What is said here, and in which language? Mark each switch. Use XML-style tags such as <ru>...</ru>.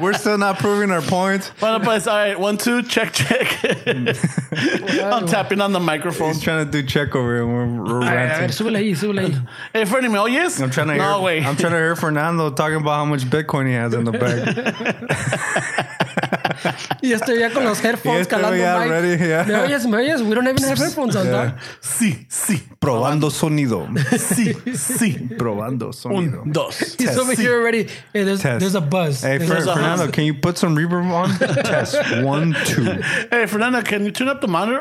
<en>We're still not proving our points. All right, 1, 2, check, check. I'm tapping on the microphone. He's trying to do check over here. We're ranting. Hey, friend of me, oh yes? I'm trying to hear. No way. I'm trying to hear Fernando talking about how much Bitcoin he has in the bag.</en> <es>Y estoy ya con los headphones calando mic.</es> <en>Ready, yeah.</en> <es>Me oyes,</es> <en>we don't even have headphones on, yeah.</en> <es>Sí, sí. Probando sonido. Sí, sí. Probando sonido.</es> <en>1, 2. He's over here already. Hey, there's a buzz. Hey, Fernando, can you put some reverb on? Test. 1, 2. Hey, Fernando, can you turn up the monitor?</en>